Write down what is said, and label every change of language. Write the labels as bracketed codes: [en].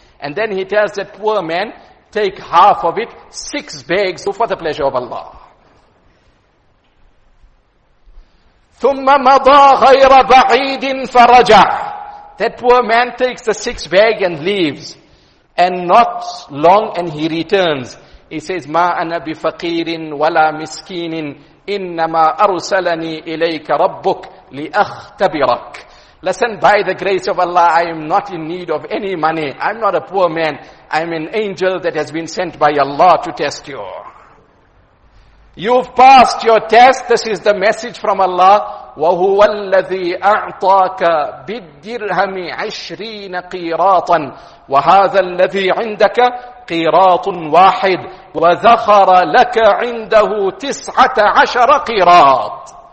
[en] And then he tells that poor man, take half of it, 6 bags for the pleasure of Allah. [ar] ثُمَّ مَضَى غَيْرَ بَعِيدٍ فَرَجَعَ. [en] That poor man takes the 6 bag and leaves. And not long and he returns. He says, [ar] ما أنا بفقير ولا مسكين إنما أرسلني إليك ربك لأختبرك. [en] Listen, by the grace of Allah, I am not in need of any money. I'm not a poor man. I'm an angel that has been sent by Allah to test you. You've passed your test. This is the message from Allah. [ar] وَهُوَ الَّذِي أَعْطَاكَ بِالدِّرْهَمِ عِشْرِينَ قِيرَاطًا وَهَذَا الَّذِي عِنْدَكَ قِيرَاطٌ وَاحِدٌ وَذَخَرَ لَكَ عِنْدَهُ تِسْعَةَ عَشَرَ قِيرَاطٌ.